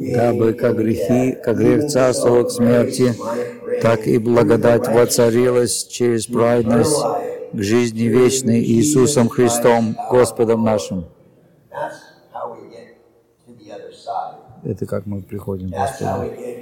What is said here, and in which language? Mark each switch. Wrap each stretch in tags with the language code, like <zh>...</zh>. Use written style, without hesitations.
<en>reigned in death,</en> <ru>как смерти, так и благодать воцарилась через праведность к жизни вечной Иисусом Христом, Господом нашим.</ru> <en>That's how we get to the other side.</en> <ru>Это как мы приходим к Господу.</ru>